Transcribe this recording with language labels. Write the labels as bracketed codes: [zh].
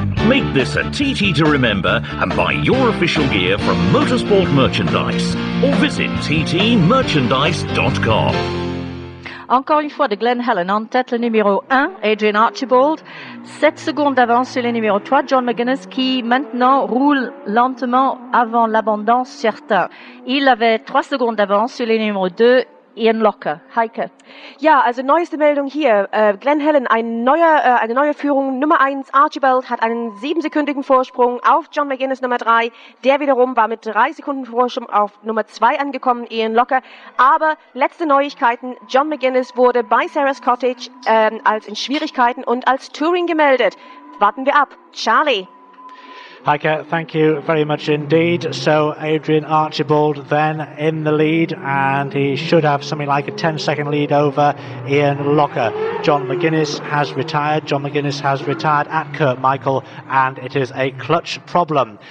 [en] Make this a TT to remember and buy your official gear from Motorsport Merchandise or visit ttmerchandise.com. [fr] Encore une fois de Glen Helen, en tête le numéro 1, Adrian Archibald, 7 secondes d'avance sur le numéro 3, John McGuinness, qui maintenant roule lentement avant l'abondance certain. Il avait 3 secondes d'avance sur le numéro 2, Ian Locker. Heike. [de] Ja, also neueste Meldung hier. Glen Helen, eine neue Führung. Nummer 1, Archibald, hat einen 7-sekündigen Vorsprung auf John McGuinness, Nummer 3. Der wiederum war mit 3 Sekunden Vorsprung auf Nummer 2 angekommen, Ian Locker. Aber letzte Neuigkeiten. John McGuinness wurde bei Sarah's Cottage als in Schwierigkeiten und als Touring gemeldet. Warten wir ab. Charlie. [en] Heike, thank you very much indeed. So Adrian Archibald then in the lead, and he should have something like a 10-second lead over Ian Locker. John McGuinness has retired. John McGuinness has retired at Kurt Michael, and it is a clutch problem.